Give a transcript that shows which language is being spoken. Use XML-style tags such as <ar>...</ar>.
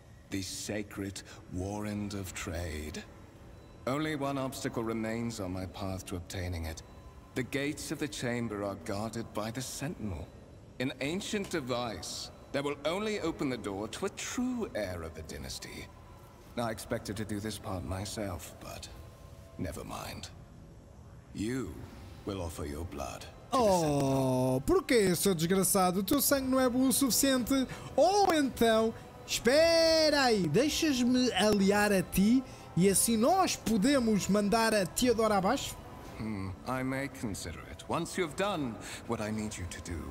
<en>The sacred Warren of Trade. Only one obstacle remains on my path to obtaining it. The gates of the chamber are guarded by the Sentinel, an ancient device that will only open the door to a true heir of the dynasty. I expected to do this part myself, but never mind. You will offer your blood.</en> <pt>Oh, porquê, seu desgraçado? O teu sangue não é bom o suficiente? Ou então, espera aí, deixas-me aliar a ti e assim nós podemos mandar a Theodora abaixo?</pt> <en>I may consider it. Once you've done what I need you to do.</en>